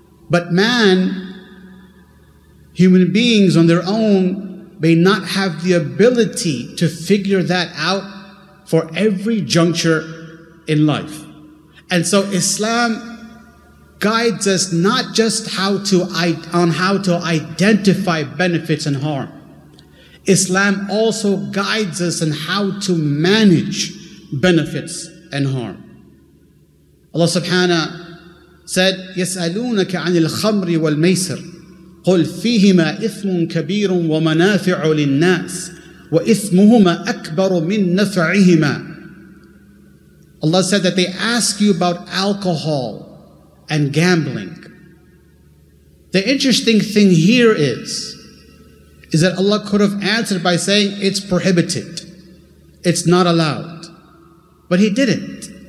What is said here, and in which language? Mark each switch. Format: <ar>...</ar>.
<en>But man, human beings on their own, may not have the ability to figure that out for every juncture in life. And so Islam guides us not just how to identify benefits and harm. Islam also guides us on how to manage benefits and harm. Allah subhanahu said,</en> <ar>يَسْأَلُونَكَ عَنِ الْخَمْرِ وَالْمَيْسِرِ قُلْ فِيهِمَا إِثْمٌ كَبِيرٌ وَمَنَافِعُ لِلنَّاسِ وَإِثْمُهُمَا أَكْبَرُ مِنْ نَفْعِهِمَا.</ar> <en>Allah said that they ask you about alcohol and gambling. The interesting thing here is that Allah could have answered by saying it's prohibited, it's not allowed. But He didn't.</en>